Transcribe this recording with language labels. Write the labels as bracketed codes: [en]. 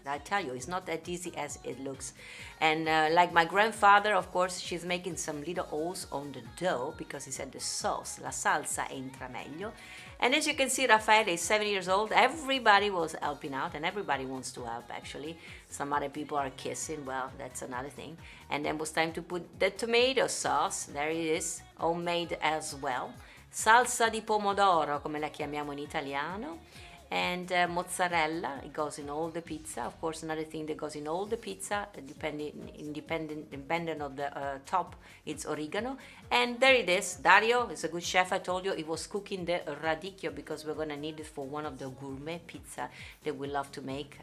[en] I tell you, it's not that easy as it looks. And like my grandfather, of course, she's making some little holes on the dough because he said the sauce, [it] la salsa, entra meglio. [en] And as you can see, Raffaele is 7 years old. Everybody was helping out and everybody wants to help, actually. Some other people are kissing. Well, that's another thing. And then it was time to put the tomato sauce. There it is, homemade as well. [it] Salsa di pomodoro, come la chiamiamo in italiano. [en] And mozzarella, it goes in all the pizza. Of course, another thing that goes in all the pizza, depending on the top, it's oregano. And there it is, Dario is a good chef, I told you. He was cooking the radicchio because we're gonna need it for one of the gourmet pizza that we love to make.